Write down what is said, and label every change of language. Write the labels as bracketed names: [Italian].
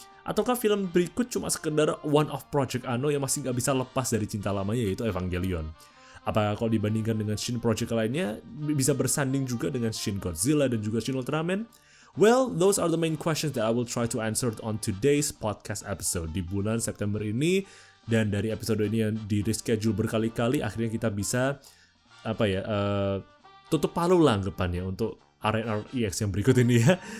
[Indonesian] Ataukah film berikut cuma sekedar [English] one-off project [Indonesian] Anno yang masih gak bisa lepas dari cinta lamanya yaitu Evangelion? Apakah kalau dibandingkan dengan Shin Project lainnya, bisa bersanding juga dengan Shin Godzilla dan juga Shin Ultraman? [English] Well, those are the main questions that I will try to answer on today's podcast episode. [Indonesian] Di bulan September ini, dan dari episode ini yang di-reschedule berkali-kali, akhirnya kita bisa apa ya, tutup palu lah anggapannya untuk RNREx yang berikut ini ya.